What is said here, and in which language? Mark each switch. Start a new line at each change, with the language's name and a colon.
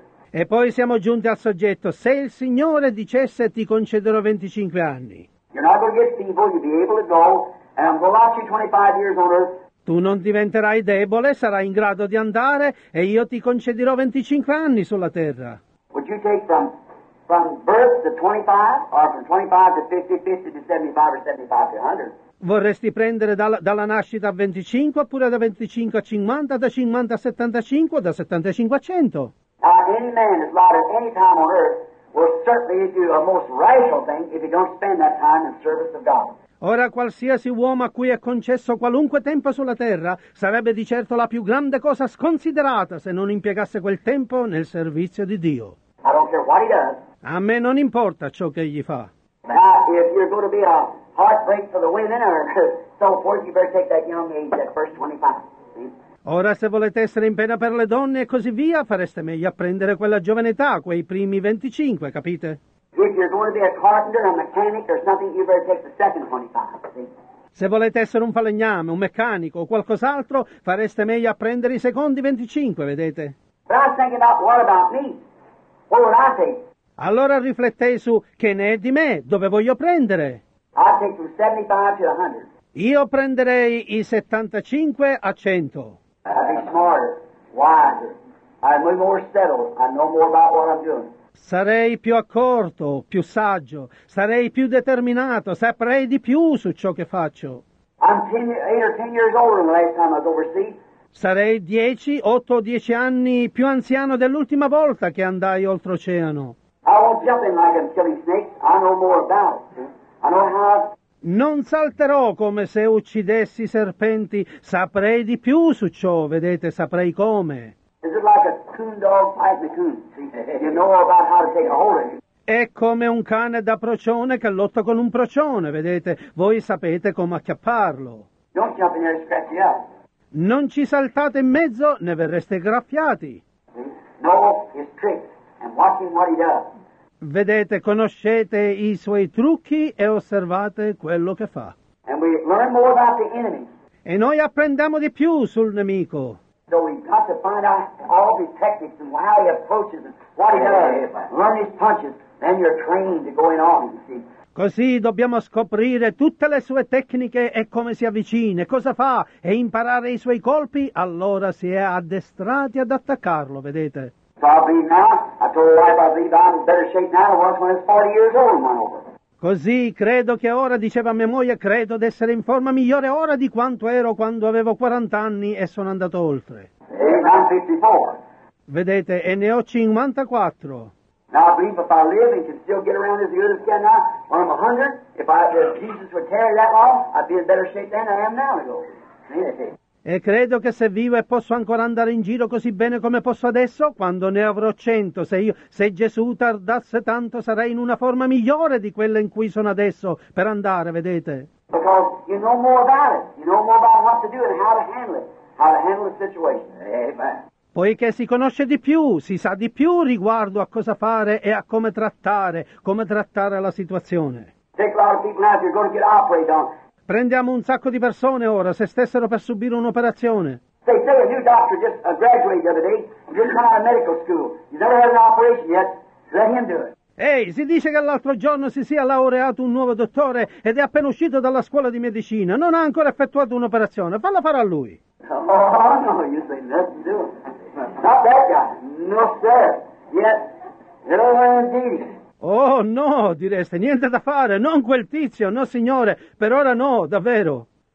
Italian: E poi siamo giunti al soggetto, se il Signore dicesse ti concederò 25 anni.
English: You're not gonna get feeble, you'll be able to go, and I'm gonna last you 25 years on earth.
Italian: Tu non diventerai debole, sarai in grado di andare e io ti concederò 25 anni sulla terra.
English: Would you take from birth to 25, or from 25 to 50, 50 to 75, or 75 to 100?
Italian: Vorresti prendere dalla nascita a 25, oppure da 25 a 50, da 50 a 75, da 75 a 100?
English: Now, any man that's lauded any time on earth will certainly do a most rational thing if he don't spend that time in service of God.
Italian: Ora, qualsiasi uomo a cui è concesso qualunque tempo sulla terra sarebbe di certo la più grande cosa sconsiderata se non impiegasse quel tempo nel servizio di Dio.
English: I don't care what he does.
Italian: A me non importa ciò che egli fa.
English: Now, if you're going to be a heartbreak for the women or so forth, you better take that young age, that first 25.
Italian: Ora, se volete essere in pena per le donne e così via, fareste meglio a prendere quella giovane età, quei primi 25, capite?
English: If you're going to be a carpenter, a mechanic or something, you better take the second 25, see?
Italian: Se volete essere un falegname, un meccanico o qualcos'altro, fareste meglio a prendere i secondi 25, vedete?
English: But I was thinking about, what about me? What would I take?
Italian: Allora riflettei su, che ne è di me? Dove voglio prendere?
English: I take from 75 to 100.
Italian: Io prenderei i 75 a 100.
English: I'd be smarter, wiser. I'm more settled. I know more about what I'm doing.
Italian: Sarei più accorto, più saggio, sarei più determinato, saprei di più su ciò che faccio.
English: I'm 8 or 10 years older than the last time I was overseas.
Italian: Sarei 8 o 10 anni più anziano dell'ultima volta che andai oltreoceano.
English: I won't jump in like I'm killing snakes. I know more about it. I know how.
Italian: Non salterò come se uccidessi serpenti, saprei di più su ciò, vedete, saprei come.
English: Is it like a coon dog fighting a coon? You know about how to take a hold of you.
Italian: È come un cane da procione che lotta con un procione, vedete, voi sapete come acchiapparlo.
English: Don't jump in there and scratch you up.
Italian: Non ci saltate in mezzo, ne verreste graffiati.
English: Know his tricks and watching what he does.
Italian: Vedete, conoscete i suoi trucchi e osservate quello che fa.
English: And we learn more about the enemy.
Italian: E noi apprendiamo di più sul nemico.
English: So we've got to find out all the techniques and how he approaches and what he does. Learn his punches, then you're trained to go in on him, you see.
Italian: Così dobbiamo scoprire tutte le sue tecniche e come si avvicina, cosa fa e imparare i suoi colpi, allora si è addestrati ad attaccarlo, vedete.
English: So I believe now, I told my wife I believe I'm in better shape now than I was when I was 40 years old and went over.
Italian: Così credo che ora, diceva mia moglie, credo di essere in forma migliore ora di quanto ero quando avevo 40 anni e sono andato oltre.
English: And I'm 54.
Italian: Vedete, e ne ho 54.
English: Now I believe if I live and can still get around as good as I can now, when I'm 100, if Jesus would carry that long, I'd be in better shape then than I am now to go over.
Italian: E credo che se vivo e posso ancora andare in giro così bene come posso adesso, quando ne avrò 100, se Gesù tardasse tanto, sarei in una forma migliore di quella in cui sono adesso per andare, vedete?
English: Because you know more about it. You know more about what to do and how to handle it. How to handle the situation. Amen.
Italian: Poiché si conosce di più, si sa di più riguardo a cosa fare e a come trattare la situazione.
English: Take a lot of people now if you're going to get operated on.
Italian: Prendiamo un sacco di persone ora, se stessero per subire un'operazione.
English: Say a new doctor just graduated the other day, just come out of medical school. He's never had an operation yet, let him do it.
Italian: Ehi, si dice che l'altro giorno si sia laureato un nuovo dottore ed è appena uscito dalla scuola di medicina. Non ha ancora effettuato un'operazione, falla fare a lui.
English: Oh, no, you say nothing to him. Not that guy, no sir, yet, no indeed.
Italian: Oh no, direste, niente da fare, non quel tizio, no signore, per ora no, davvero.